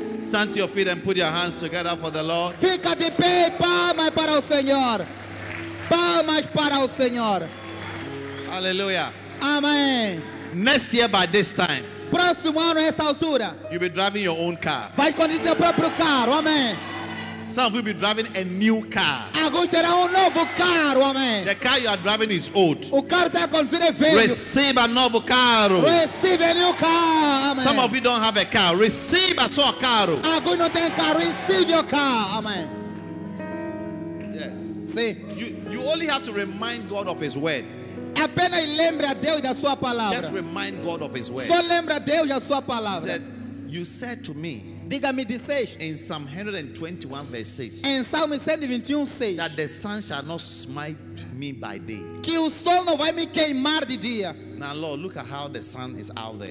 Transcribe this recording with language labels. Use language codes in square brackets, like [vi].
[en] Stand to your feet and put your hands together for the Lord. [pt] Fica de pé e palmas para o Senhor. Palmas para o Senhor. [en] Hallelujah. Amen. Next year by this time. [pt] Próximo ano essa altura. [en] You'll be driving your own car. [pt] Vai conduzir teu próprio carro. [en] Amen. Some of you will be driving a new car. [pt] Agora terá novo carro, amém. [en] The car you are driving is old. [pt] O carro está conduzindo velho. [en] Receive a [pt] novo carro. [en] Receive a new car, amém. Some of you don't have a car. Receive a [pt] sua carro. Agora não tem carro. [en] Receive your car, [pt] amém. [en] Yes. [pt] Sim. [en] You only have to remind God of His word. [pt] Apenas lembre a Deus da sua palavra. [en] Just remind God of His word. [pt] Só lembre a Deus da sua palavra. [en] You said to me. [pt] Diga-me, disseste. [en] In Psalm 121, verse 6. [pt] Em Salmo 121, 6. [en] That the sun shall not smite me by day. [pt] Que o sol não vai me queimar de dia. [en] Now, Lord, look at how the sun is out there.